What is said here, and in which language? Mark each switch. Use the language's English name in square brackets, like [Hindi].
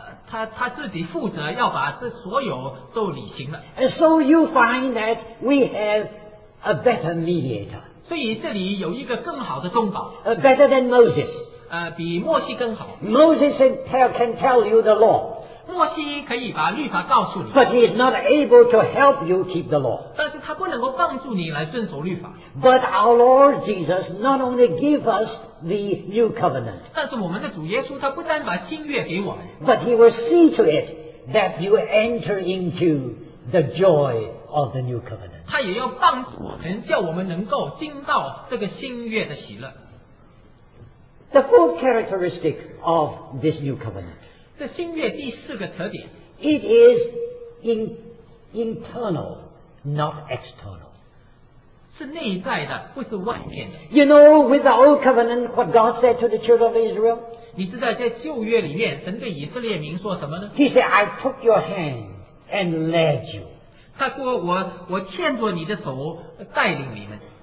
[Chinese] 他自己负责要把这所有都履行了。 [English] And so you find that we have a better mediator. [Chinese] 所以这里有一个更好的中保。 [English] Better than Moses. [Chinese] 比摩西更好。 [English] Moses can tell you the law. [Chinese] 摩西可以把律法告诉你。 [English] But he is not able to help you keep the law. [Chinese] 但是他不能够帮助你来遵守律法。 [English] But our Lord Jesus not only give us the new covenant. [Chinese] 但是我们的主耶稣他不但把新约给我们。 [English] But he will see to it that you enter into the joy of the new covenant. [Chinese] 他也要帮助我们，叫我们能够进到这个新约的喜乐。 [English] The fourth characteristic of this new covenant. [Chinese] 这新约第四个特点。 [English] It is internal, not external. [Chinese] 是内在的，不是外面的。 [English] You know, with the old covenant, what God said to the children of Israel? [Chinese] 你知道在旧约里面，神对以色列民说什么呢？ [English] He said, I took your hand and led you. [Chinese] 他说我牵着你的手带领你们。